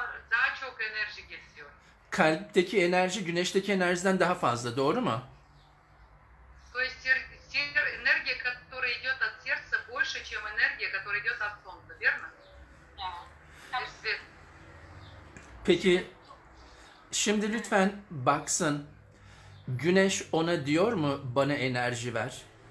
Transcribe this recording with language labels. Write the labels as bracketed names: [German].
[Turkish] Daha çok enerji geliyor. Kalpteki enerji güneşteki enerjiden daha fazla, doğru mu? [Russian] То есть энергия, которая идёт от сердца, больше, чем энергия, которая идёт от солнца, верно? [Turkish] Peki şimdi lütfen baksın. Güneş ona diyor mu, bana enerji ver?